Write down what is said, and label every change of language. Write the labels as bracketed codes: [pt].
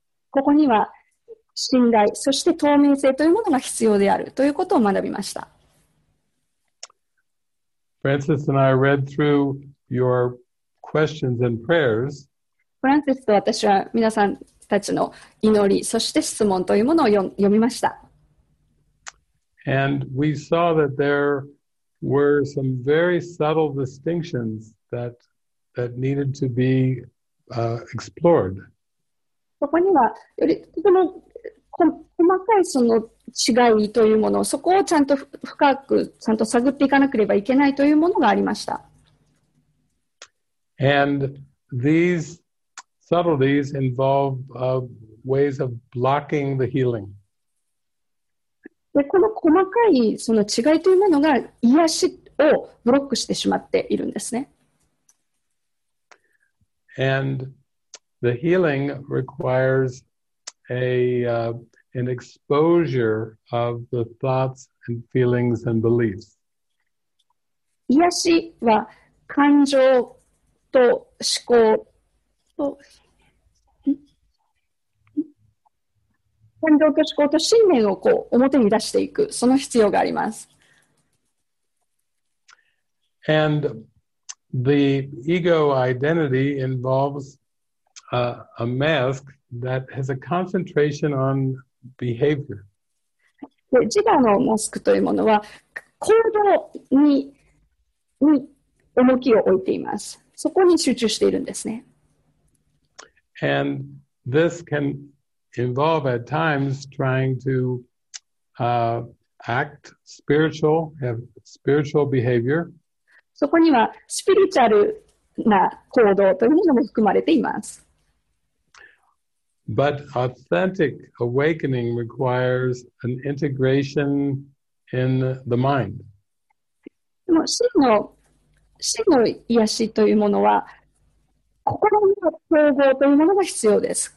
[ja] ここには信頼、そして透明性というものが必要であるということを学びました。 [en] Francis and I read through your questions and prayers. [ja] フランシスと私は皆さんたちの祈り、そして質問というものを読みました。 [en] And we saw that there were some very subtle distinctions that needed to be explored. [ja] ここにはよりとても細かいその違いというもの、そこをちゃんと深くちゃんと探っていかなければいけないというものがありました。 [en] And these subtleties involve ways of blocking the healing. [ja] で、この細かいその違いというものが癒しをブロックしてしまっているんですね。 [en] And the healing requires an exposure of the thoughts and feelings and beliefs. [ja] 癒しは感情と思考と感情と思考と信念をこう表に出していく、その必要があります。 [en] And the ego identity involves a mask that has a concentration on behavior. [ja] 自我のマスクというものは行動 に重きを置いています。そこに集中しているんですね。 [en] And this can involve at times trying to act spiritual, have spiritual behavior. [ja] そこにはスピリチュアルな行動というものも含まれています。 [en] But authentic awakening requires an integration in the mind. [ja] でも真の癒しというものは心の統合というものが必要です。